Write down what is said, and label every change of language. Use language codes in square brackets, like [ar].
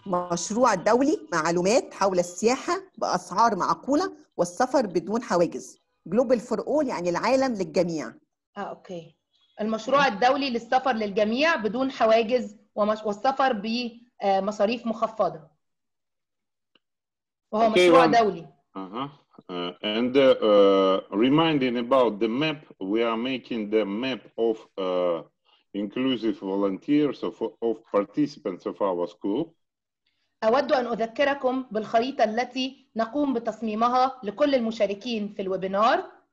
[ar] مشروع دولي معلومات حول السياحة بأسعار معقولة والسفر بدون حواجز. Global for all يعني العالم للجميع. أوكي. المشروع الدولي للسفر للجميع بدون حواجز والسفر بمصاريف مخفضة. وهو [en] okay, [ar] مشروع دولي. [en] And reminding about the map, we are making the map of inclusive volunteers of participants of our school. [ar] أود أن أذكركم بالخريطة التي نقوم بتصميمها لكل المشاركين في الويبينار.